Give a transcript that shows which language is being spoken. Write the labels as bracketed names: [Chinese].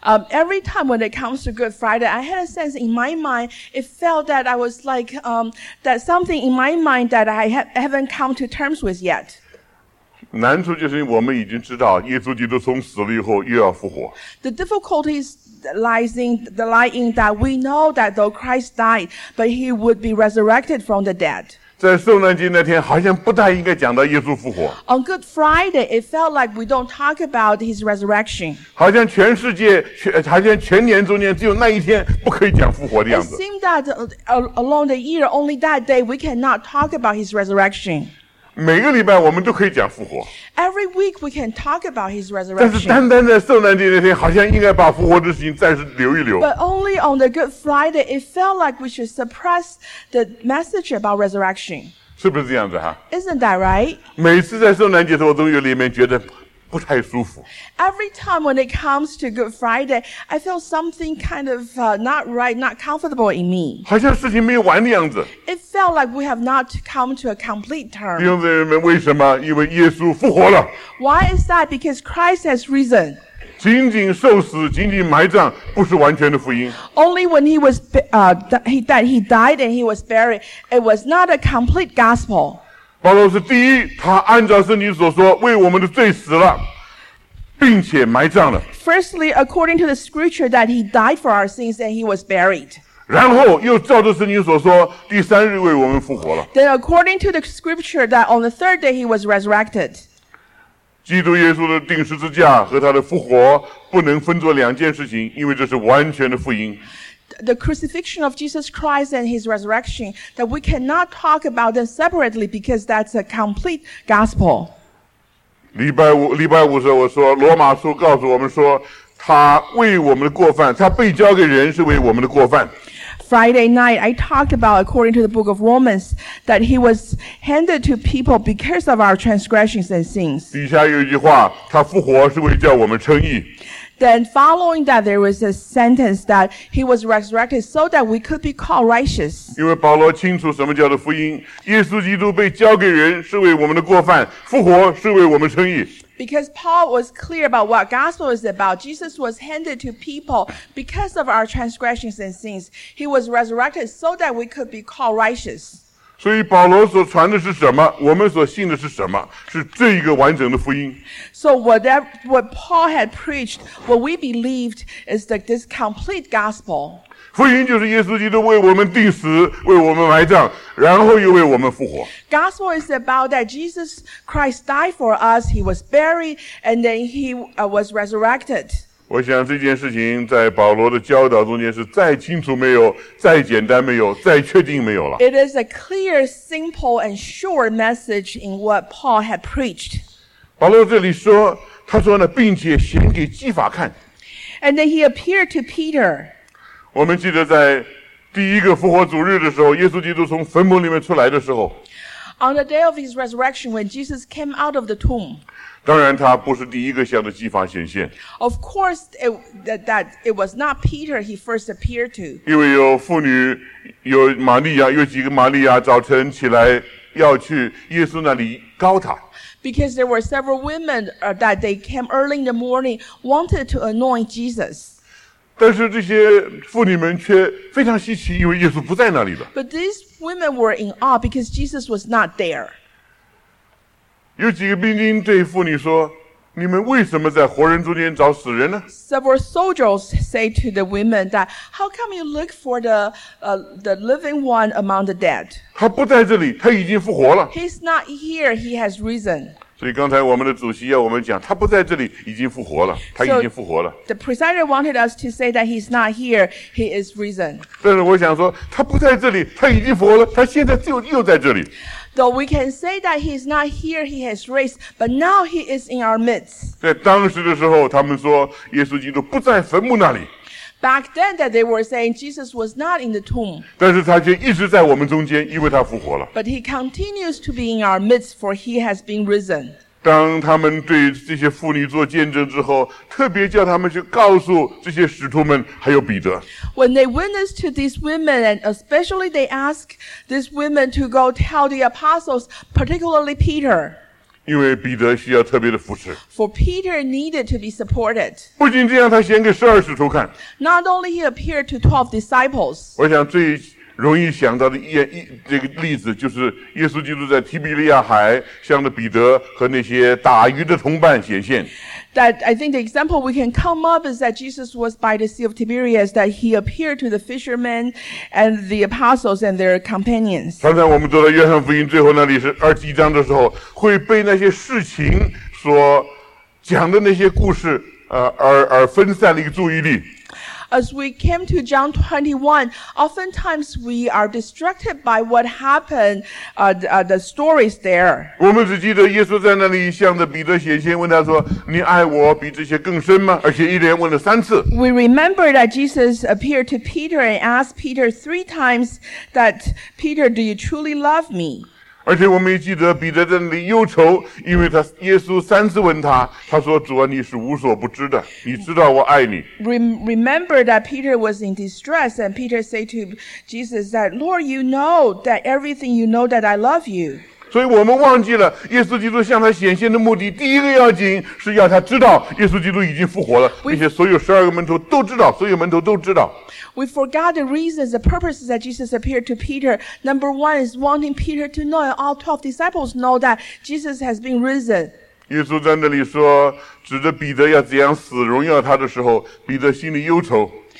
[English] Every time when it comes to Good Friday, I had a sense in my mind, it felt that I was like, that something in my mind that I haven't come to terms with yet. [Chinese] 难处就是我们已经知道耶稣基督从死了以后又要复活。 [English] The difficulties lying that we know that though Christ died, but he would be resurrected from the dead. [Chinese] 在受难节那天好像不太应该讲到耶稣复活。 [English] On Good Friday, it felt like we don't talk about his resurrection. [Chinese] 好像全世界好像全年中间只有那一天不可以讲复活的样子。 [English] It seemed that along the year, only that day we cannot talk about his resurrection. [Chinese] 每个礼拜我们都可以讲复活。 [English] Every week we can talk about his resurrection. [Chinese] 但是单单在受难节那天好像应该把复活的事情暂时留一留。 [English] But only on the Good Friday, it felt like we should suppress the message about resurrection. [Chinese] 是不是这样子啊? [English] Isn't that right? [Chinese] 每次在受难节的活动里面觉得不太舒服。 [English] Every time when it comes to Good Friday, I feel something kind of not right, not comfortable in me. [Chinese] 好像事情没有完的样子。 [English] It felt like we have not come to a complete term. [Chinese] 弟兄姊妹们，为什么？因为耶稣复活了。 [English] Why is that? Because Christ has risen. [Chinese] 仅仅受死，仅仅埋葬，不是完全的福音。 [English] Only when he was, that he died and he was buried, it was not a complete gospel. [Chinese] 保罗是第一，他按照圣经所说，为我们的罪死了，并且埋葬了。 [English] Firstly, according to the scripture, that he died for our sins and he was buried. [Chinese] 然后又照着圣经所说，第三日为我们复活了。 [English] Then according to the scripture, that on the third day he was resurrected. [Chinese] 基督耶稣的钉十字架和他的复活不能分作两件事情，因为这是完全的福音。 [English] The crucifixion of Jesus Christ and his resurrection, that we cannot talk about them separately because that's a complete gospel. [Chinese] 礼拜五时候我说罗马书告诉我们说他为我们的过犯他被交给人是为我们的过犯。 [English] Friday night, I talked about according to the book of Romans that he was handed to people because of our transgressions and sins. [Chinese] 底下有一句话他复活是为叫我们称义。 [English] Then following that, there was a sentence that he was resurrected so that we could be called righteous. [Chinese] 因为保罗清楚什么叫做福音，耶稣基督被交给人是为我们的过犯，复活是为我们称义。 [English] Because Paul was clear about what gospel is about, Jesus was handed to people because of our transgressions and sins. He was resurrected so that we could be called righteous. [Chinese] 所以保罗所传的是什么？我们所信的是什么？是这一个完整的福音。 [English] So what Paul had preached, what we believed is that this complete gospel. [Chinese] 福音就是耶稣基督为我们钉死，为我们埋葬，然后又为我们复活。 [English] Gospel is about that Jesus Christ died for us. He was buried and then he was resurrected. [Chinese] 我想这件事情在保罗的教导中间是再清楚没有，再简单没有，再确定没有了。 [English] It is a clear, simple, and sure message in what Paul had preached. [Chinese] 保罗这里说，他说呢，并且显给基法看。 [English] And then he appeared to Peter. [Chinese] 我们记得在第一个复活主日的时候，耶稣基督从坟墓里面出来的时候。 [English] On the day of his resurrection, when Jesus came out of the tomb, [Chinese] 当然他不是第一个向着基法显现。 [English] Of course, it was not Peter he first appeared to. [Chinese] 因为有妇女，有玛利亚，有几个玛利亚早晨起来要去耶稣那里膏他。 [English] Because there were several women that they came early in the morning wanted to anoint Jesus. [Chinese] 但是这些妇女们却非常稀奇，因为耶稣不在那里了。 [English] But these women were in awe because Jesus was not there. [Chinese] 有几个兵丁对妇女说：“你们为什么在活人中间找死人呢？” [English] Several soldiers say to the women that, "How come you look for the living one among the dead?" [Chinese] 他不在这里，他已经复活了。 [English] He's not here. He has risen. [Chinese] 所以刚才我们的主席要我们讲，他不在这里，已经复活了。他已经复活了。 [English] The presider wanted us to say that he's not here. He is risen. [Chinese] 但是我想说，他不在这里，他已经复活了。他现在就又在这里。 [English] So we can say that he is not here, he has raised, but now he is in our midst. [Chinese] 在当时的时候，他们说耶稣基督不在坟墓那里。 [English] Back then, that they were saying Jesus was not in the tomb. [Chinese] 但是他却一直在我们中间，因为他复活了。 [English] But he continues to be in our midst, for he has been risen. [Chinese] 当他们对这些妇女做见证之后，特别叫他们去告诉这些使徒们，还有彼得。 [English] When they witnessed to these women, and especially they asked these women to go tell the apostles, particularly Peter. [Chinese] 因为彼得需要特别的扶持。 [English] For Peter needed to be supported. [Chinese] 不仅这样，他显给十二使徒看。 [English] Not only he appeared to 12 disciples. [Chinese] 我想最容易想到的这个例子，就是耶稣基督在提比利亚海向着彼得和那些打鱼的同伴显现。 [English] That I think the example we can come up is that Jesus was by the Sea of Tiberias, that he appeared to the fishermen and the apostles and their companions. [Chinese] 常常我们走到约翰福音最后那里是二十一章的时候，会被那些事情所讲的那些故事，而分散了一个注意力。 [English] As we came to John 21, oftentimes we are distracted by what happened, the stories there. [Chinese] 我们只记得耶稣在那里向着彼得显现，问他说：“你爱我比这些更深吗？” 而且一连问了三次。 [English] We remember that Jesus appeared to Peter and asked Peter three times that, "Peter, do you truly love me?" [Chinese] 而且我们也记得彼得在那里忧愁，因为他耶稣三次问他，他说：“主啊，你是无所不知的，你知道我爱你。” [English] Remember that Peter was in distress, and Peter said to Jesus that, "Lord, you know that everything. You know that I love you." [Chinese] 所以我们忘记了耶稣基督向他显现的目的。第一个要紧是要他知道耶稣基督已经复活了，并且所有十二个门徒都知道，所有门徒都知道。 [English] We forgot the reasons, the purposes that Jesus appeared to Peter. Number one is wanting Peter to know, and all 12 disciples know that Jesus has been risen. [Chinese] 耶稣在那里说，指着彼得要怎样死，荣耀他的时候，彼得心里忧愁。